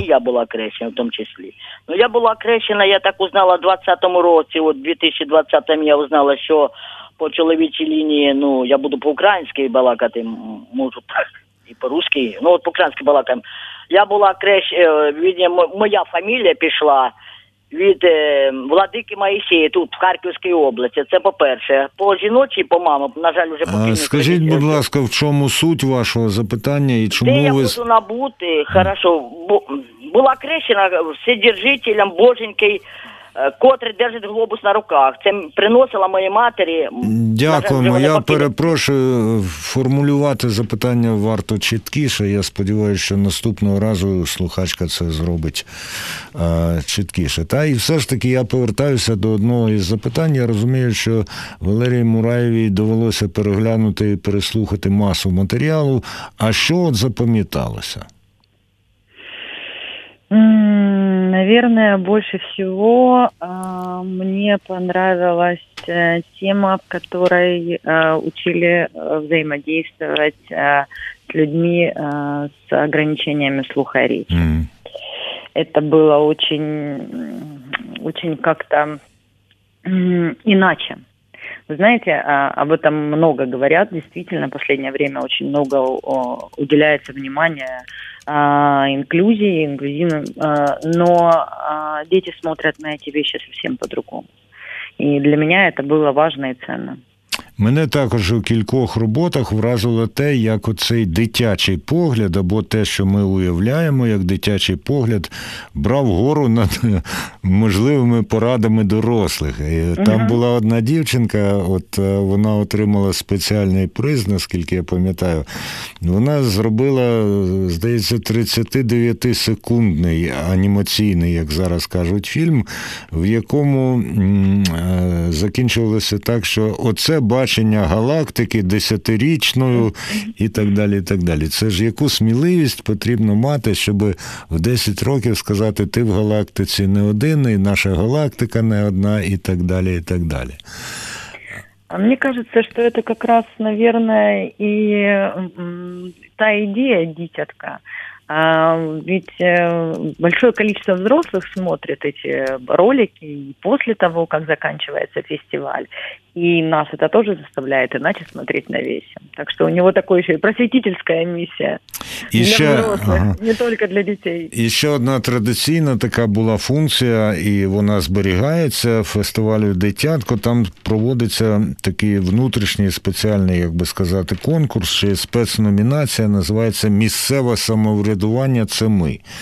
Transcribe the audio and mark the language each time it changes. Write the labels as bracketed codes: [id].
[uk] І я була крещена в тому числі. Ну я була крещена, я так узнала в 20-му році, от 2020-му я узнала, що по чоловічій лінії, ну я буду по-українськи балакати, можу так, і по-русськи, ну от по-українськи балакати. Я була крещена, моя фамілія пішла від владики Моїсея тут, в Харківській області. Це по-перше. По жіночій, по мамам, на жаль, вже покинув. Скажіть, будь ласка, в чому суть вашого запитання і чому де ви... Де я можу набути, хорошо. Була крещена вседержителем Боженький, котрий держить глобус на руках. Це приносила моїй матері... Дякуємо. Я перепрошую, формулювати запитання варто чіткіше. Я сподіваюся, що наступного разу слухачка це зробить чіткіше. Та і все ж таки я повертаюся до одного із запитань. Я розумію, що Валерії Мураєвій довелося переглянути і переслухати масу матеріалу. А що от запам'яталося? [ru] Наверное, больше всего мне понравилась тема, в которой учили взаимодействовать с людьми с ограничениями слуха и речи. Mm. Это было очень, очень как-то иначе. Вы знаете, об этом много говорят. Действительно, в последнее время очень много уделяется внимания инклюзии, инклюзивным. Но дети смотрят на эти вещи совсем по-другому. [uk] І для мене це було важливо і цінно. Мене також у кількох роботах вразило те, як оцей дитячий погляд, або те, що ми уявляємо як дитячий погляд, брав гору над можливими порадами дорослих. І там була одна дівчинка, от вона отримала спеціальний приз, наскільки я пам'ятаю. Вона зробила, здається, 39-секундний анімаційний, як зараз кажуть, фільм, в якому закінчувалося так, що оце бачення галактики десятирічною і так далі, і так далі. Це ж яку сміливість потрібно мати, щоб в 10 років сказати, ти в галактиці не один, і наша галактика не одна, і так далі, і так далі. [ru] А мне кажется, что это как раз, наверное, и та идея «Дитятко». Ведь большое количество взрослых смотрит эти ролики и после того, как заканчивается фестиваль. И нас это тоже заставляет иначе смотреть на весь. Так что у него такое еще и просветительская миссия. [uk] Для ще, взрослих, не тільки для дітей. І ще одна традиційна така була функція, і вона зберігається, фестивалю «Дитятко». Там проводиться такий внутрішній спеціальний, як би сказати, конкурс, чи спецномінація, називається «Місцеве самоврядування – це ми».